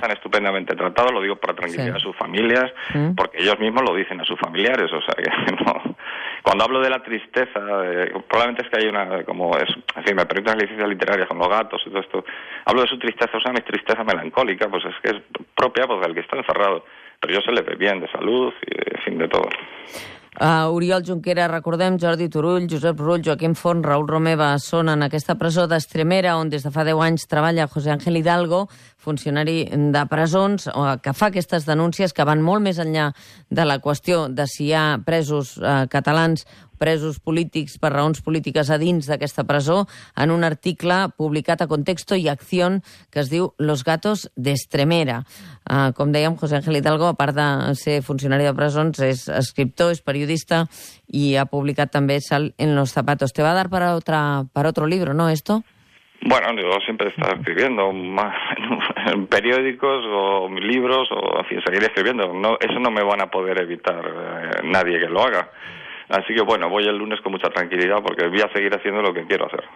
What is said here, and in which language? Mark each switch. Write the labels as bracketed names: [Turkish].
[Spanish] Ellos están estupendamente tratados, lo digo para tranquilizar, sí, a sus familias, uh-huh, porque ellos mismos lo dicen a sus familiares, o sea que no... Cuando hablo de la tristeza, probablemente es que hay una, como es, en fin, me permito una licencia literaria con los gatos y todo esto. Hablo de su tristeza, o sea, mi tristeza melancólica, pues es que es propia, pues, del que está encerrado. Pero yo se le ve bien, de salud y de fin de todo. [Catalan] Oriol Junquera, recordem, Jordi Turull, Josep Rull, Joaquim Font, Raül Romeva són en aquesta presó d'Estremera, on des de fa 10 anys treballa José Ángel Hidalgo, funcionari de presons, que fa aquestes denúncies que van molt més enllà de la qüestió de si hi ha presos catalans, presos polítics per raons polítiques a dins d'aquesta presó, en un article publicat a Contexto i Acción que es diu Los gatos d'Estremera. Com dèiem, José Ángel Hidalgo, a part de ser funcionari de presons, és escriptor, és periodista i ha publicat també Sal en los zapatos. [Spanish] ¿Te va a dar para otra, para otro libro, no, esto? Bueno, yo siempre estaré escribiendo más en periódicos o libros, o en fin, seguiré escribiendo. No, eso no me van a poder evitar nadie que lo haga. Así que bueno, voy el lunes con mucha tranquilidad porque voy a seguir haciendo lo que quiero hacer.